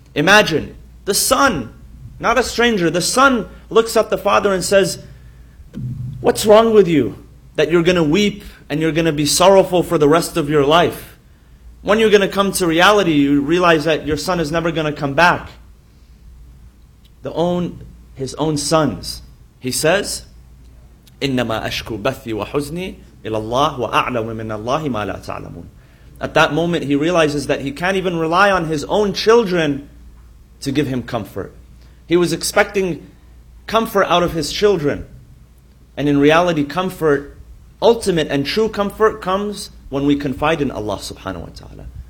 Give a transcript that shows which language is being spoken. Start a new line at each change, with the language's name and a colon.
English: Imagine, the son, not a stranger, the son looks at the father and says, what's wrong with you that you're going to weep and you're going to be sorrowful for the rest of your life? When you're going to come to reality, you realize that your son is never going to come back. His own sons, he says,
Arabic: إِنَّمَا أَشْكُوا بَثِّي وَحُزْنِي إِلَى اللَّهِ وَأَعْلَمُ مِنَ اللَّهِ مَا لَا تَعْلَمُونَ.
English: At that moment, he realizes that he can't even rely on his own children to give him comfort. He was expecting comfort out of his children. And in reality, comfort, ultimate and true comfort, comes when we confide in Allah subhanahu wa ta'ala.